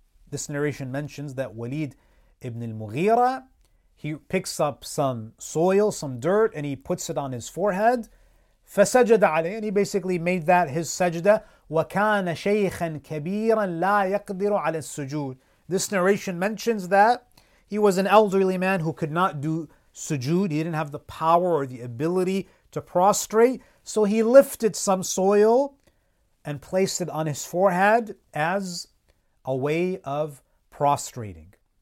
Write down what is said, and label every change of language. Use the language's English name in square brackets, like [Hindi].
[English] This narration mentions that Walid ibn al-Mughira, he picks up some soil, some dirt, and he puts it on his forehead. [Arabic] فَسَجَدَ عَلَيْهِ. [English] And he basically made that his sajda. [Arabic] وَكَانَ شَيْخًا كَبِيرًا لَا يَقْدِرُ عَلَى السُّجُودِ. [English] This narration mentions that he was an elderly man who could not do sujood. He didn't have the power or the ability to prostrate. So he lifted some soil and placed it on his forehead as a way of prostrating.